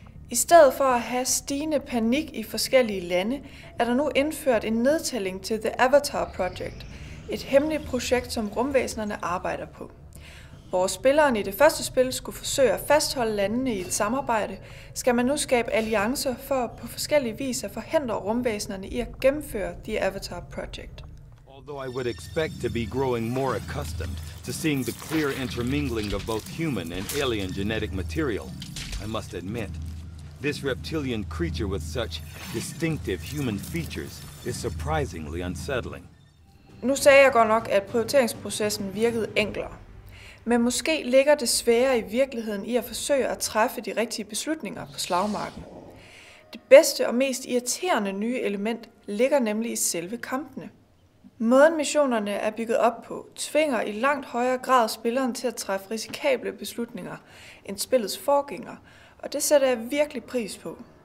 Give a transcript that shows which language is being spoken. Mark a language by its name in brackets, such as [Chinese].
[Danish] I stedet for at have stigende panik i forskellige lande, er der nu indført en nedtælling til The Avatar Project, et hemmeligt projekt, som rumvæsenerne arbejder på. Hvor spilleren i det første spil skulle forsøge at fastholde landene i et samarbejde, skal man nu skabe alliancer for på forskellig vis at forhindre rumvæsenerne i at gennemføre The Avatar Project. [English] Although I would expect to be growing more accustomed to seeing the clear intermingling of both human and alien genetic material, I must admit, this reptilian creature with such distinctive human features is surprisingly unsettling. [Danish] Nu sagde jeg godt nok, at prioriteringsprocessen virkede enklere. Men måske ligger det svære i virkeligheden i at forsøge at træffe de rigtige beslutninger på slagmarken. Det bedste og mest irriterende nye element ligger nemlig i selve kampene. Måden missionerne er bygget op på, tvinger i langt højere grad spilleren til at træffe risikable beslutninger end spillets forgængere, og det sætter jeg virkelig pris på.